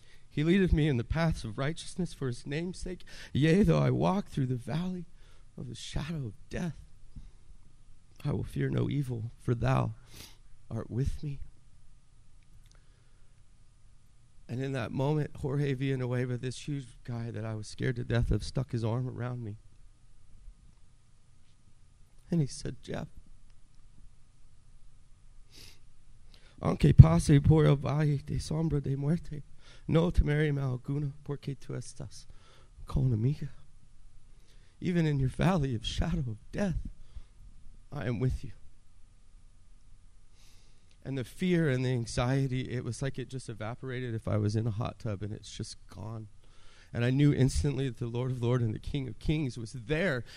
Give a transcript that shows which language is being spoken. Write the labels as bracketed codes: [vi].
[en] He leadeth me in the paths of righteousness for his name's sake. Yea, though I walk through the valley of the shadow of death, I will fear no evil, for thou art with me. And in that moment, Jorge Villanueva, this huge guy that I was scared to death of, stuck his arm around me. And he said, [es] Jeff, aunque pase por el valle de sombra de muerte, no temeré mal alguno, porque tú estás con amiga. [en] Even in your valley of shadow of death, I am with you. And the fear and the anxiety, it was like it just evaporated if I was in a hot tub, and it's just gone. And I knew instantly that the Lord of Lords and the King of Kings was there.